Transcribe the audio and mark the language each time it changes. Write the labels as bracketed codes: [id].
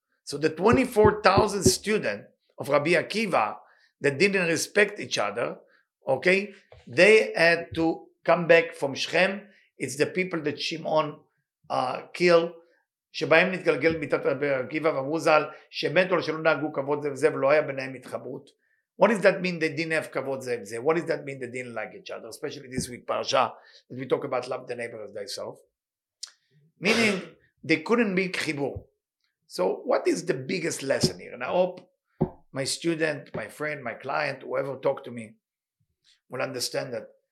[en] So the 24,000 students of Rabbi Akiva that didn't respect each other, okay, they had to come back from Shechem. It's the people that Shimon killed. [he] שבהם נתגלגל מיטת רבי עקיבא ומוזל, שמתו על שלא נהגו כבוד זה וזה, ולא היה ביניהם התחברות. [en] What does that mean? They didn't have [he] כבוד זה וזה. [en] What does that mean? They didn't like each other. Especially this week, פרשה, that we talk about love the neighbor as thyself. Meaning, they couldn't make חיבור. So, what is the biggest lesson here? And I hope my student, my friend, my client, whoever talked to me, will understand that.